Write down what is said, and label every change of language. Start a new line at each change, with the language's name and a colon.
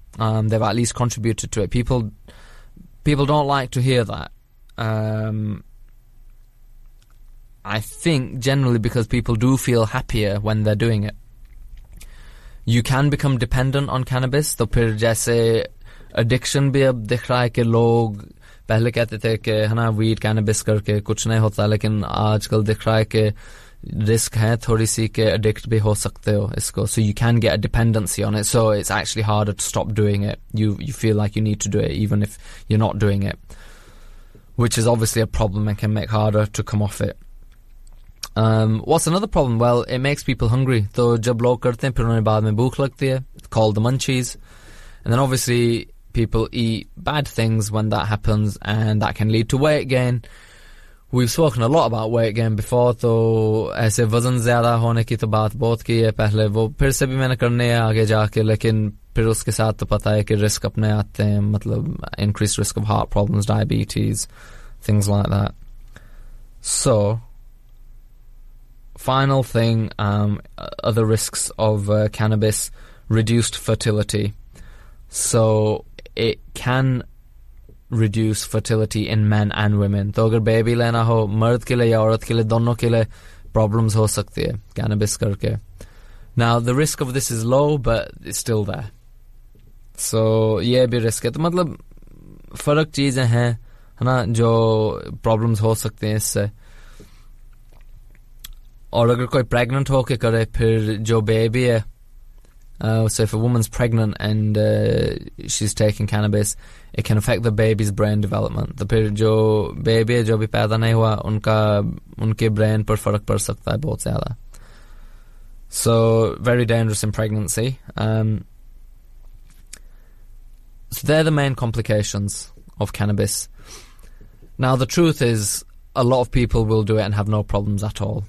English: They've at least contributed to it. People don't like to hear that. I think generally because people do feel happier when they're doing it. You can become dependent on cannabis.
Hindi: Toh phir jaise addiction भी अब दिख रहा है कि लोग पहले कहते थे कि है ना वीड कैनबिस करके कुछ नहीं होता, लेकिन आजकल दिख रहा है कि रिस्क है थोड़ी सी कि एडिक्ट भी हो सकते हो इसको.
English: So you can get a dependency on it, so it's actually harder to stop doing it. You feel like you need to do it even if you are not doing it, which is obviously a problem and can make harder to come off it. What's another problem? Well, it makes people hungry.
Hindi: तो जब लोग करते हैं फिर उन्हें बाद में भूख लगती है,
English: it's called the munchies. And then obviously people eat bad things when that happens, and that can lead to weight gain. We've spoken a lot about weight gain before.
Hindi: तो ऐसे वजन ज्यादा होने की तो बात बहुत की है पहले, वो फिर से भी मैंने करने है आगे जाके, लेकिन फिर उसके साथ तो पता है कि रिस्क अपने आते हैं, मतलब
English: increased risk of heart problems, diabetes, things like that. So final thing, other risks of cannabis, reduced fertility. So it can reduce fertility in men and women.
Hindi: तो अगर baby लेना हो मर्द के लिए या औरत के लिए दोनों के लिए problems हो सकती है cannabis करके.
English: Now the risk of this is low, but it's still there.
Hindi: So ये भी risk है. तो मतलब फर्क चीजें हैं है ना जो problems हो सकती हैं इससे. और अगर कोई प्रेग्नेंट होके करे फिर जो बेबी है,
English: So if a woman's pregnant and she is taking cannabis, it can affect the baby's brain development.
Hindi: तो फिर जो बेबी है जो भी पैदा नहीं हुआ उनका उनके ब्रेन पर फर्क पड़ सकता है बहुत ज्यादा.
English: So very dangerous in pregnancy. They're the main complications of cannabis. Now the truth is a lot of people will do it and have no problems at all.